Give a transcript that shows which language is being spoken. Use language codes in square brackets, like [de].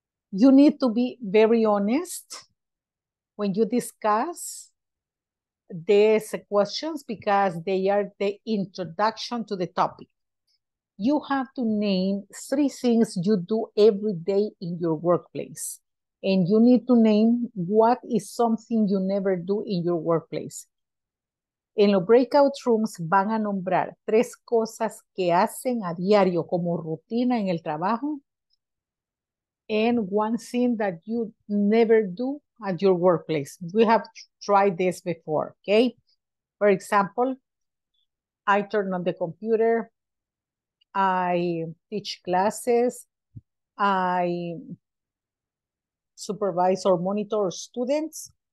[en] You need to be very honest when you discuss these questions because they are the introduction to the topic. You have to name three things you do every day in your workplace. And you need to name what is something you never do in your workplace. [es] En los breakout rooms van a nombrar tres cosas que hacen a diario como rutina en el trabajo. [en] And one thing that you never do at your workplace. We have tried this before, okay? For example, I turn on the computer. I teach classes. I supervise or monitor students.